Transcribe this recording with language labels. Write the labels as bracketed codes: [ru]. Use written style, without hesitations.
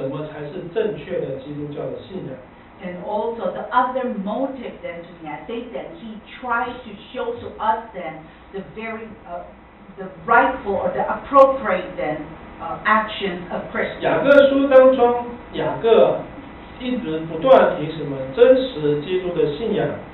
[zh] 第二个动机是雅各要指明什么才是正确的基督教的信仰。 [en] And also the other motive then to me, I think that he tries to show to us then the very, the rightful or the appropriate then actions of Christians. [zh] 雅各书当中，雅各 一直不断提什么真实基督的信仰。